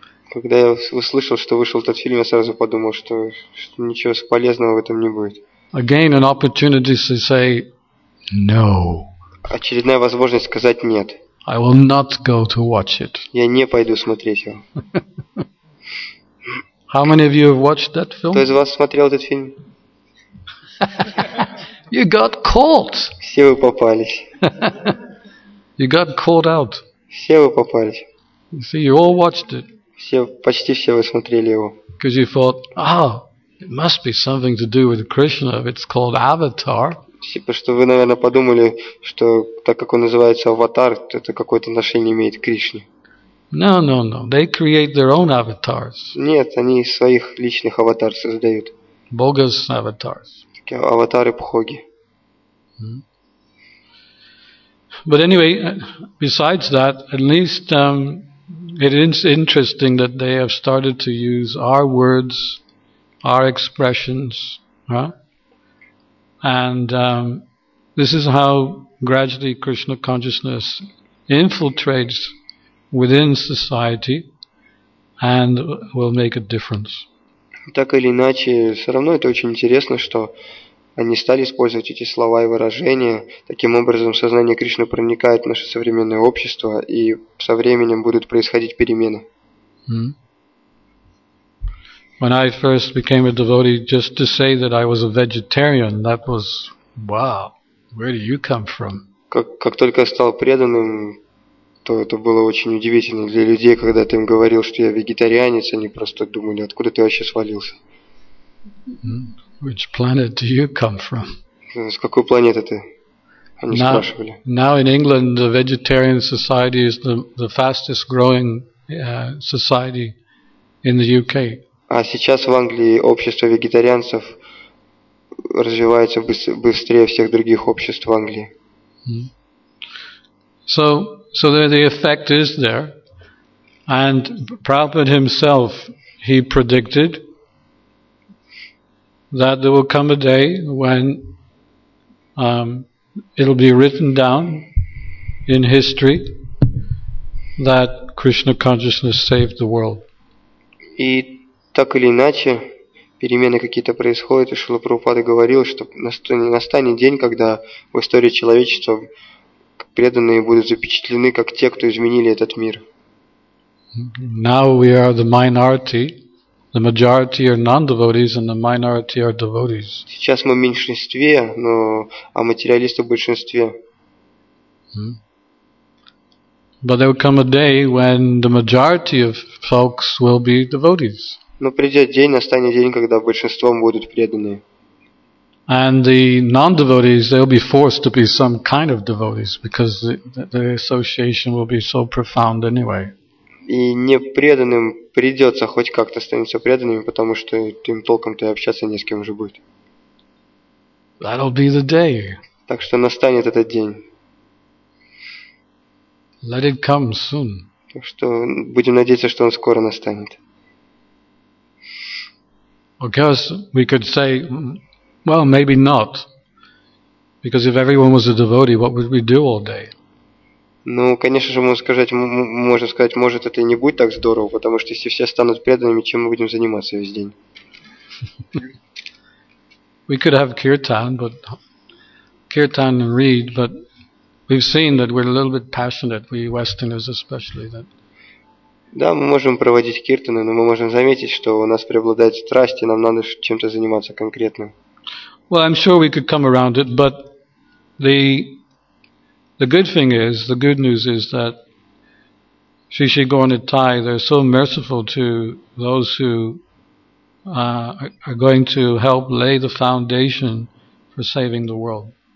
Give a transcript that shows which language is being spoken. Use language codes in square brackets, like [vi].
[ru] Когда я услышал, что вышел этот фильм, я сразу подумал, что, что ничего полезного в этом не будет. [en] Again, an opportunity to say no. [ru] Очередная возможность сказать нет. [en] I will not go to watch it. [ru] Я не пойду смотреть его. [en] How many of you have watched that film? [ru] Кто из вас смотрел этот фильм? [en] You got caught. [ru] Все вы попались. [en] You got caught out. [ru] Все вы попались. [en] You see, you all watched it. [ru] Все, почти все вы смотрели его. [en] Because you thought, it must be something to do with Krishna if it's called Avatar. [ru] Потому что вы, наверное, подумали, что так как он называется Аватар, то это какое-то отношение имеет к Кришне. [en] No. They create their own avatars. [ru] Нет, они своих личных аватар создают. [en] Bogus avatars. [ru] Такие аватары Бхоги. [en] But anyway, besides that, at least it is interesting that they have started to use our words, our expressions, huh? And this is how gradually Krishna consciousness infiltrates within society and will make a difference. [ru] Так или иначе, все равно это очень интересно, что они стали использовать эти слова и выражения. Таким образом, сознание Кришны проникает в наше современное общество, и со временем будут происходить перемены. [en] When I first became a devotee, just to say that I was a vegetarian, that was, wow, where do you come from? [ru] Как только я стал преданным, то это было очень удивительно для людей, когда ты им говорил, что я вегетарианец, они просто думали, откуда ты вообще свалился? [en] Which planet do you come from? [ru] С какой планеты ты? Они [en] now, [ru] спрашивали. [en] Now in England, the vegetarian society is the fastest growing society in the UK. [ru] А сейчас в Англии общество вегетарианцев развивается быстрее всех других обществ в Англии. [en] So the effect is there. And Prabhupada himself, he predicted that there will come a day when it'll be written down in history that Krishna consciousness saved the world. [ru] Так или иначе, перемены какие-то происходят, и Шрила Прабхупада говорил, что настанет день, когда в истории человечества преданные будут запечатлены как те, кто изменили этот мир. [en] Now we are the minority. The majority are non-devotees and the minority are devotees. [ru] Сейчас мы в меньшинстве, но а материалисты в большинстве. [en] But there will come a day when the majority of folks will be devotees. [ru] Но придет день, настанет день, когда большинством будут преданные. [en] And the non-devotees, they'll be forced to be some kind of devotees because the association will be so profound anyway. [ru] И непреданным придется хоть как-то становиться преданными, потому что им толком-то и общаться не с кем уже будет. [en] That'll be the day. [ru] Так что настанет этот день. [en] Let it come soon. [ru] Так что будем надеяться, что он скоро настанет. [en] Of course, we could say, well, maybe not. Because if everyone was a devotee, what would we do all day? [ru] Ну, конечно же, можно сказать, может, это и не будет так здорово, потому что если все станут преданными, чем мы будем заниматься весь день? [en] We could have kirtan and read, but we've seen that we're a little bit passionate, we Westerners especially, that... [ru] Да, мы можем проводить киртаны, но мы можем заметить, что у нас преобладает страсть, и нам надо чем-то заниматься конкретным. [en] Well, I'm sure we could come around it, but the good news is that Shishi Gornitai, they're so merciful to those who are going to help lay the foundation for saving the world.